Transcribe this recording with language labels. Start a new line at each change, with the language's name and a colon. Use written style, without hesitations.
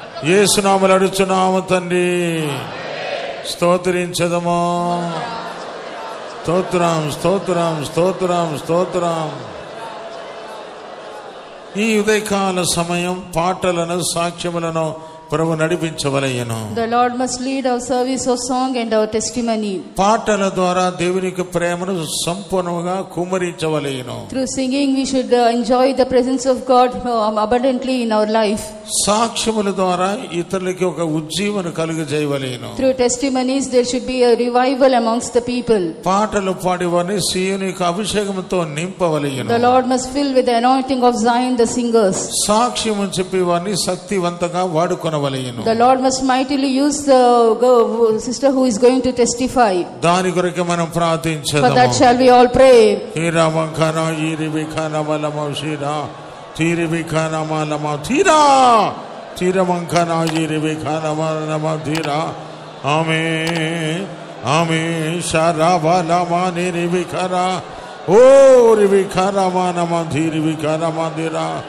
Telugu: యేసునామలు అడుచున్నాము తండ్రి. స్తోత్రించదము. స్తోత్రం, స్తోత్రం, స్తోత్రం, స్తోత్రం. ఈ ఉదయకాల సమయం పాటలను సాక్ష్యములను ప్రభు నడిపించవలయ్యను.
English: The Lord must lead our service of song and our testimony.
Telugu: పాటల ద్వారా దేవునికి ప్రేమను సంపూర్ణముగా కుమరించవలయ్యను.
English: Through singing we should enjoy the presence of God abundantly in our life.
Telugu: సాక్ష్యముల ద్వారా ఇతరులకు ఒక ఉజ్జీవన కలుగజేయవలయ్యను.
English: Through testimonies there should be a revival amongst the people.
Telugu: పాటలు పాడివని సీయోనుకు అభిషేకముతో నింపవలయ్యను.
English: The Lord must fill with the anointing of Zion the singers.
Telugu: సాక్ష్యము చెప్పేవని శక్తివంతంగా వాడు.
English: The Lord must mightily use the sister who is going to testify.
Telugu: దాని కొరకు మనం ప్రార్థించదాము.
English: For that shall we all pray. హీరామంకన ఈరివికన వలమౌషిరా తీరివికన మలమ తీరా తీరమంకన ఈరివికన వలమ తీరా. ఆమేన్. ఆమేన్. శరవలమ నిరివికర ఓరివికర మనమ తీరివికర మదిరా.